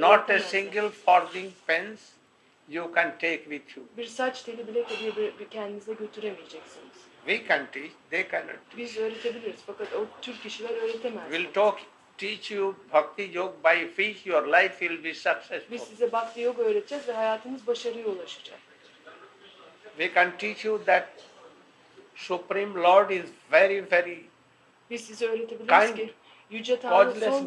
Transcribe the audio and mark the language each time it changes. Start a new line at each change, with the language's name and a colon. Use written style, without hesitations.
English: Not a single farthing pence you can take with you.
Turkish: Bir saç teli bile bir kendinize götüremeyeceksiniz.
English: We can teach, they cannot.
Turkish: Biz öğretebiliriz fakat o tür kişiler öğretemez.
English: We'll talk. Teach you bhakti yoga by which your life will be successful.
Turkish: Biz size bhakti yoga öğreteceğiz ve hayatınız başarıya ulaşacak.
English: We can teach you that Supreme Lord is very very.
Turkish: Biz size öğretebiliriz kind, ki yüce Tanrı son